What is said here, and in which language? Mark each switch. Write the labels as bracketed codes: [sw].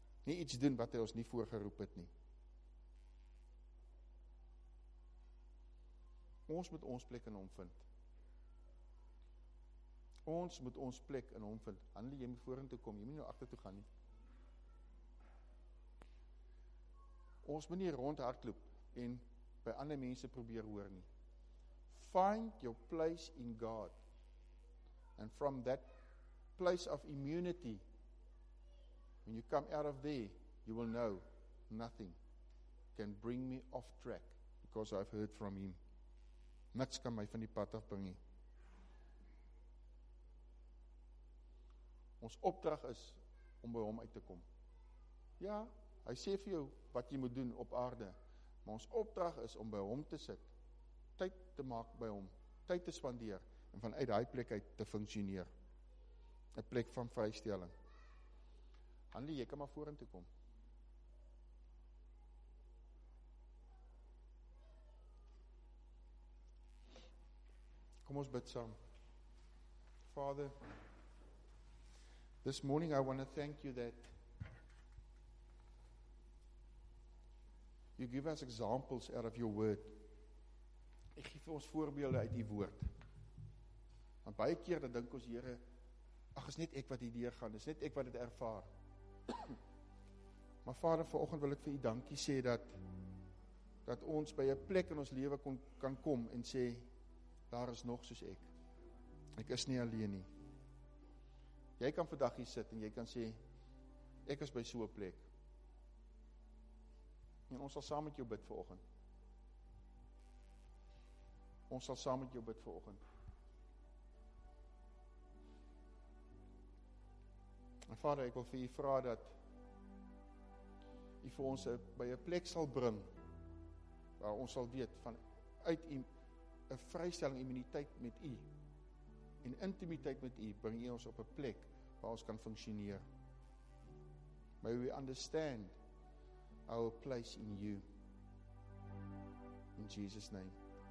[af] Nie iets doen wat hy ons nie voorgeroep het nie. Ons moet ons plek in hom vind. Ons moet ons plek in hom vind. Handel, jy moet vorentoe kom, jy moet nou agter toe gaan nie. Ons moet nie rondhardloop en by ander mense probeer hoor nie. [en] Find your place in God. And from that place of immunity, when you come out of there, you will know nothing can bring me off track because I've heard from Him. [af] Niks kan my van die pad afbring nie. Ons opdrag is om by Hom uit te kom. Ja, Hy sê vir jou wat jy moet doen op aarde, maar ons opdrag is om by Hom te sit, tyd te maak by Hom, tyd te spandeer en vanuit daai plek uit te funksioneer. 'N plek van vrystelling. Handel, jy kan maar vorentoe kom. Kom ons bid saam. [en] Father, this morning I want to thank you that you give us examples out of your word. [af] Ek gee vir ons voorbeelde uit die woord. Want baie keer dan dink ons, Here, ag, is net ek wat hier deurgaan, is net ek wat dit ervaar. Maar Vader, vanoggend wil ek vir u dankie sê dat ons by 'n plek in ons lewe kan kom en sê, daar is nog soos ek. Ek is nie alleen nie. Jy kan vandag hier sit en jy kan sê, ek is by so 'n plek. En ons sal saam met jou bid vanoggend. Ons sal saam met jou bid vanoggend. En Vader, ek wil vir u vra dat u vir ons by 'n plek sal bring waar ons sal weet van uit u 'n vrystelling, immuniteit met u en intimiteit met u, bring u ons op 'n plek waar ons kan funksioneer. [en] May we understand our place in you. In Jesus' name.